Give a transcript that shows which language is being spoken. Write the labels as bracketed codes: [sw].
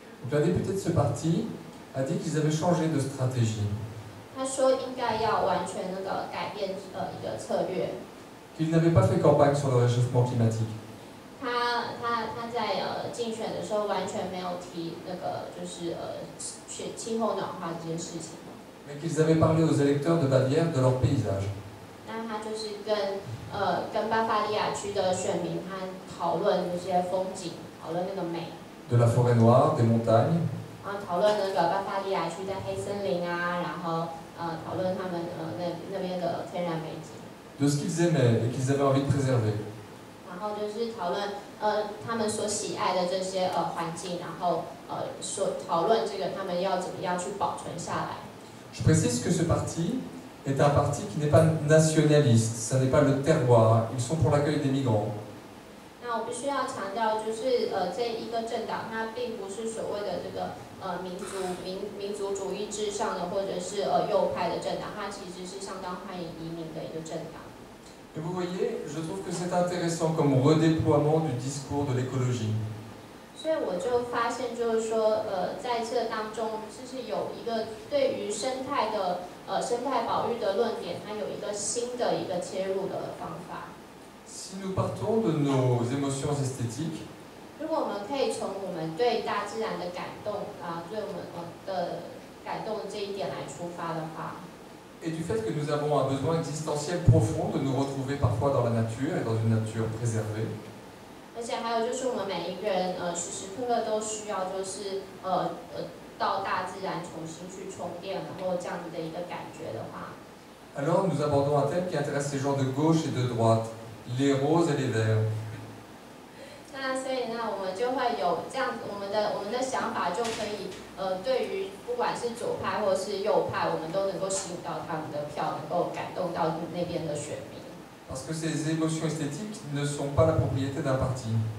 [fr] La députée de ce parti a dit qu'ils avaient changé de stratégie. [zh] 他说应该要完全那个改变一个策略。 [fr] Qu'il n'avait pas fait campagne sur le réchauffement climatique. [zh] 他在竞选的时候完全没有提那个就是气候暖化这件事情。 [fr] Mais qu'ils avaient parlé aux électeurs de Bavière de leur paysage. [zh] 那他就是跟巴伐利亚区的选民他讨论那些风景，讨论那个美。 [fr] De la forêt noire, des montagnes. [zh] 啊，讨论那个巴伐利亚区的黑森林啊，然后讨论他们那边的天然美景。 [fr] De ce qu'ils aimaient et qu'ils avaient envie de préserver. [zh] 然后就是讨论他们所喜爱的这些环境，然后所讨论这个他们要怎么样去保存下来。 [fr] Je précise que ce parti est un parti qui n'est pas nationaliste, ça n'est pas le terroir, ils sont pour l'accueil des migrants. [zh] 那我必须要强调，就是这一个政党，它并不是所谓的这个民族主义至上的，或者是右派的政党，它其实是相当欢迎移民的一个政党。 [fr] Et vous voyez, je trouve que c'est intéressant comme redéploiement du discours de l'écologie. [zh] 所以我就发现，就是说，在这当中，就是有一个对于生态的，生态保育的论点，它有一个新的一个切入的方法。 [fr] Si nous partons de nos émotions esthétiques, [zh] 如果我们可以从我们对大自然的感动啊，对我们的感动这一点来出发的话 [fr] ，et du fait que nous avons un besoin existentiel profond de nous retrouver parfois dans la nature et dans une nature préservée. [zh] 而且还有就是我们每一个人时时刻刻都需要就是到大自然重新去充电，然后这样子的一个感觉的话。 [fr] Alors nous abordons un thème qui intéresse les gens de gauche et de droite, les roses et les verts. [zh] 那所以呢，我们就会有这样子，我们的想法就可以对于不管是左派或是右派，我们都能够吸引到他们的票，能够感动到那边的选民。 [fr] Parce que ces émotions esthétiques ne sont pas la propriété d'un parti.